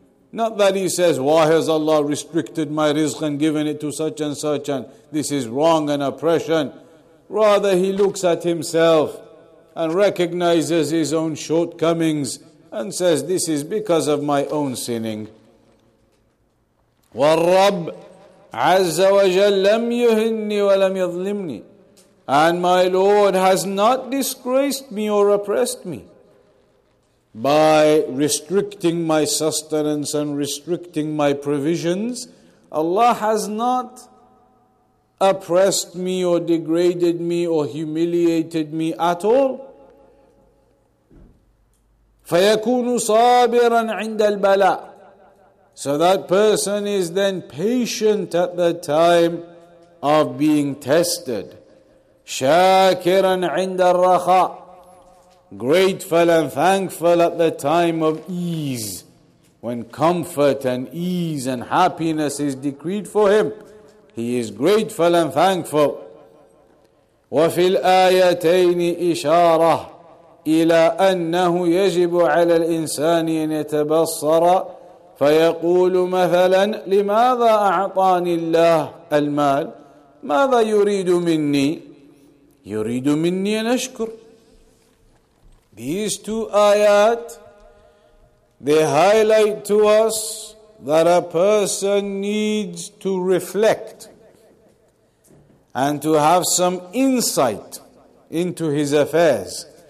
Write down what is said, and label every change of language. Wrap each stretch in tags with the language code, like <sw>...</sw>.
<en>Not that he says, why has Allah restricted my rizq and given it to such and such, and this is wrong and oppression. Rather, he looks at himself and recognizes his own shortcomings and says, this is because of my own sinning.</en> <ar>والرب عز وجل لم يهني ولم يظلمني.</ar> <en>And my Lord has not disgraced me or oppressed me by restricting my sustenance and restricting my provisions. Allah has not oppressed me or degraded me or humiliated me at all.</en> <ar>فَيَكُونُ صَابِرًا عِنْدَ الْبَلَاءِ.</ar> <en>So that person is then patient at the time of being tested.</en> <ar>شَاكِرًا عِنْدَ الرَّخَاءِ.</ar> <en>Grateful and thankful at the time of ease, when comfort and ease and happiness is decreed for him. He is grateful and thankful.</en> <ar>وَفِي الْآيَتَيْنِ إِشَارَةٌ إلى أنه يجب على الإنسان أن يتبصر فيقول مثلا لماذا أعطاني الله المال؟ ماذا يريد مني؟ يريد مني أن أشكر.</ar> <en>These two ayat, they highlight to us that a person needs to reflect and to have some insight into his affairs,</en>